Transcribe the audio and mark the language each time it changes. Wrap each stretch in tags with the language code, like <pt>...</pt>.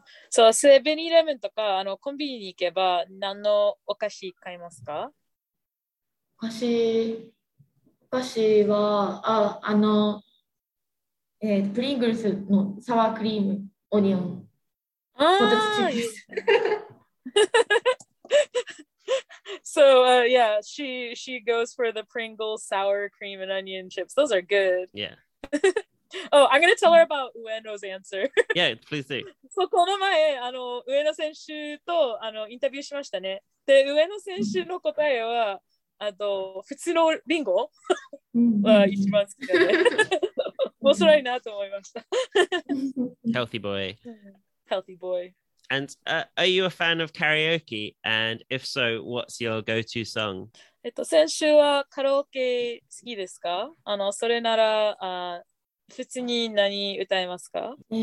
<ja>So, 7-Eleven とかあのコンビニに行けば何のお菓子買いますか？お菓子はプリングルスのサワークリーム、オニオン、ポテトチップス。</ja> <en>So, yeah, she goes for the Pringles, sour cream and onion chips. Those are good. Yeah. Oh, I'm gonna tell her about Ueno's answer. Yeah, please do.</en> <ja>So, この前、あの、Ueno 選手と、あの、インタビューしましたね。で、Ueno 選手の答えは、あと、普通のリンゴは一番好きだね。面白いなと思いました。</ja> <en>Healthy boy. Healthy boy. And are you a fan of karaoke? And if so, what's your go-to song?</en> <ja>選手はカラオケ好きですか？あの、それなら、普通に何歌えますか？</ja>